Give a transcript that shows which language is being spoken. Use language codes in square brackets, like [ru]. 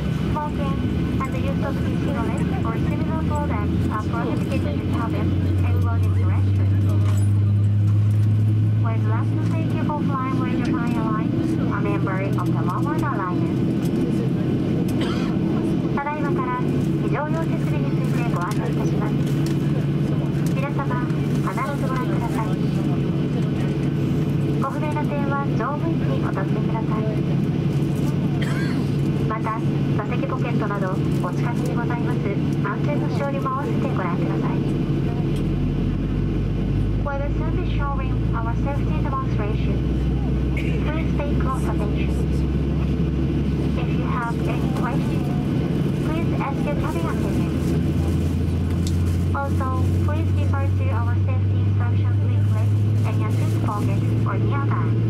[en] Smoking and the use of cigarettes or similar products are prohibited in the cabin and will need restrooms. We'd love to thank you for flying with Japan Airlines, a member of the Oneworld Alliance. [ja] ただいまから非常用設備についてご案内いたします。皆様、必ずご覧ください。ご不明な点は乗務員にお尋ねください。また、座席ポケットなどお近くにございます安全の使用にも合わせてご覧ください。 [en] We will soon be showing our safety demonstration. Please pay close attention. If you have any questions, please ask your cabin attendant. Also, please refer to our safety instruction leaflet in your seat pocket or near by.